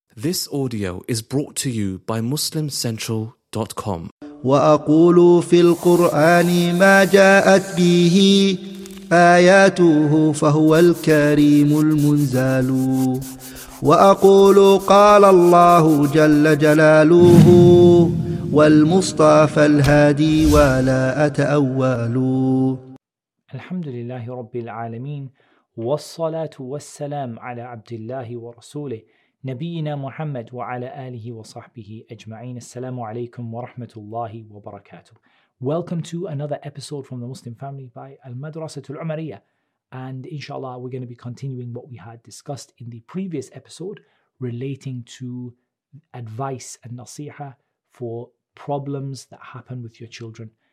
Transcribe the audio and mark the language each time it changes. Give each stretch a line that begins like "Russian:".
English: This audio is brought to you by MuslimCentral.com.
Arabic: وأقول في القرآن ما جاءت به آياته فهو الكريم المنزال. وأقول قال الله جل جلاله والمصطفى الهادي ولا أتأول. الحمد لله رب العالمين والصلاة والسلام على عبد الله ورسوله نبينا محمد وعلى آله وصحبه أجمعين. السلام عليكم ورحمة الله وبركاته.
English: Welcome to another episode from the Muslim Family by المدرسة العمرية. And inshallah, we're going to be continuing what we had discussed in the previous episode relating to advice and nasiha for problems that happen with your children.